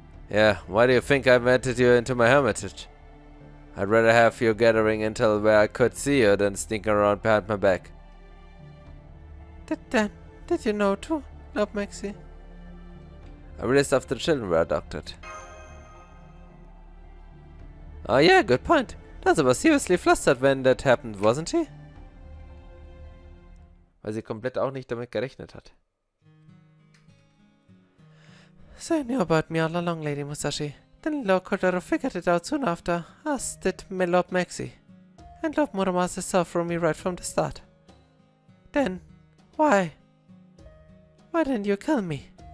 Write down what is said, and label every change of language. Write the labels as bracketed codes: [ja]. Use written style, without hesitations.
[en] Yeah, why do you think I invited you into my hermitage? I'd rather have you gathering intel where I could see you than sneaking around behind my back. Did you know too, Lord Maxi? I realized after the children were adopted. Oh yeah, good point. Danza was seriously flustered when that happened, wasn't he? [de] Weil sie komplett auch nicht damit gerechnet hat. [en] So you knew about me all along, Lady Musashi. Then Lord Kotaro figured it out soon after, as did Lord Maxi. And Lord Muramasa saw from me right from the start. Then, why? Why didn't you kill me?